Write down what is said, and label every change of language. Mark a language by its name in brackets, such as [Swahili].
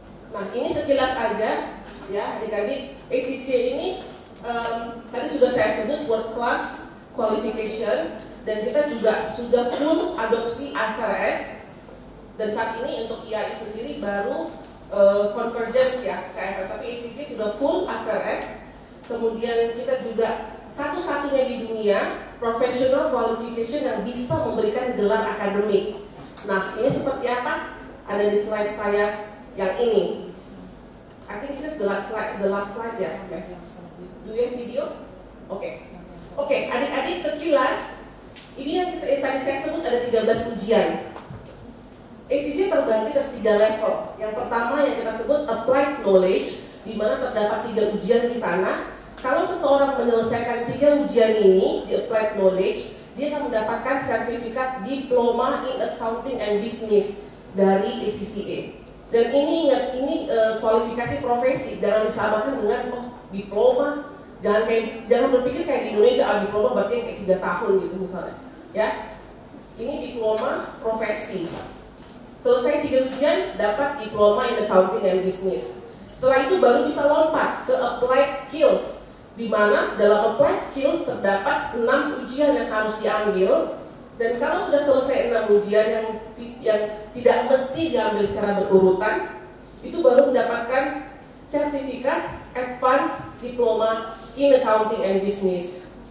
[Indonesian] Nah, ini sekilas aja ya, adik-adik, ACCA ini tadi sudah saya sebut world class qualification dan kita juga sudah full adopsi IFRS dan saat ini untuk IAI sendiri baru convergence ya ke IFRS, tapi ACCA sudah full IFRS. Kemudian kita juga satu-satunya di dunia professional qualification yang bisa memberikan gelar akademik. Nah, ini seperti apa? Ada di slide saya yang ini. [English] I think this is the last slide ya. Do you have video? Okay. [Indonesian] Adik-adik sekilas, ini yang tadi saya sebut ada 13 ujian. ACCA terbagi ke 3 level. Yang pertama yang kita sebut applied knowledge, di mana terdapat 3 ujian di sana. Kalau seseorang menyelesaikan 3 ujian ini di applied knowledge, dia akan mendapatkan sertifikat diploma in accounting and business dari ACCA. Dan ini ingat, ini kualifikasi profesi, jangan disamakan dengan diploma. Jangan berpikir kayak di Indonesia, ah, diploma berarti kayak 3 tahun gitu misalnya. Ya. Ini diploma profesi. Selesai 3 ujian, dapat diploma in accounting and business. Setelah itu baru bisa lompat ke applied skills. Di mana dalam applied skills terdapat 6 ujian yang harus diambil. Dan kalau sudah selesai 6 ujian yang tidak mesti diambil secara berurutan, itu baru mendapatkan sertifikat advanced diploma in accounting and business.